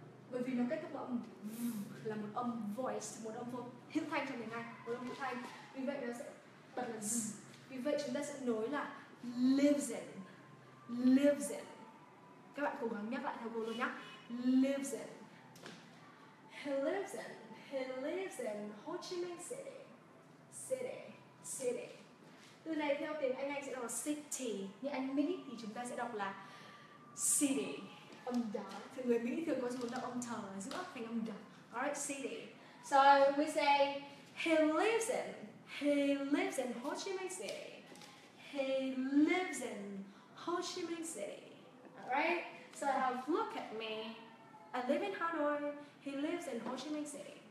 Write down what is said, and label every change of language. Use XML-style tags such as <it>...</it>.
<vi>Bởi vì nó kết thúc bằng là một âm voice, một âm vocal hiệu thanh trong tiếng Anh, một âm hiệu thanh. Vì vậy nó sẽ bật là z. Vì vậy chúng ta sẽ nối là lives in, lives in. Các bạn cố gắng nhắc lại theo cô luôn nhá.</vi> <en>Lives in. He lives in. He lives in Ho Chi Minh City. City. City.</en> <vi>Từ này theo tiếng Anh sẽ đọc là city. Như Anh Mỹ thì chúng ta sẽ đọc là city. Âm đó. Thì người Mỹ thường có xuống đọc âm thờ ở giữa thành âm đó.</vi> <en>Alright, city. So we say he lives in. He lives in Ho Chi Minh City. He lives in Ho Chi Minh City. Alright. So I have look at me. I live in Hanoi. He lives in Ho Chi Minh City.</en>